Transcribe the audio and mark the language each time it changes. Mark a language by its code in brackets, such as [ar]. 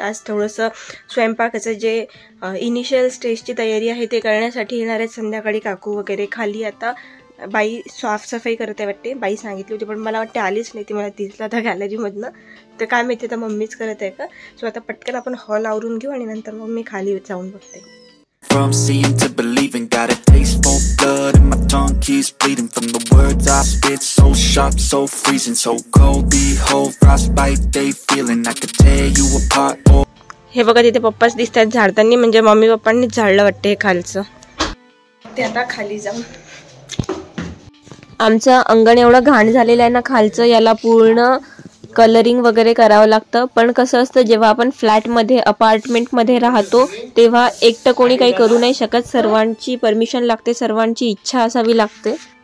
[mr] आज थोडंसं स्वयंपाकाचं जे इनिशियल स्टेजची तयारी आहे ते करण्यासाठी येणार आहेत संध्याकाळी काकू वगैरे. खाली आता बाई साफसफाई करते वाटते, बाई सांगितली होती पण मला वाटते आलीच नाही ती, मला दिसलं आता गॅलरीमधनं. तर काय माहिती आता मम्मीच करत आहे का. सो आता पटकन आपण हॉल आवरून घेऊ आणि नंतर मग मी खाली जाऊन बघते. [en] From seeing to believing, got a taste for blood and my tongue keeps bleeding from the words I spit, so sharp, so freezing, so cold, behold, frostbite, they feeling, I could tear you apart. [mr] हे बघा तिथे पप्पाच दिसतात झाडतानी, म्हणजे mummy पप्पांनी झाडलं वाटते खालचं. ते आता खाली जाऊ. आमचं अंगण एवढं घाण झालेलं आहे ना खालचं, याला पूर्ण कलरिंग वगैरे करावं लागतं. पण कसं असतं जेव्हा आपण फ्लॅटमध्ये अपार्टमेंटमध्ये राहतो तेव्हा एकटं कोणी काही करू नाही शकत, सर्वांची परमिशन लागते, सर्वांची इच्छा असावी लागते.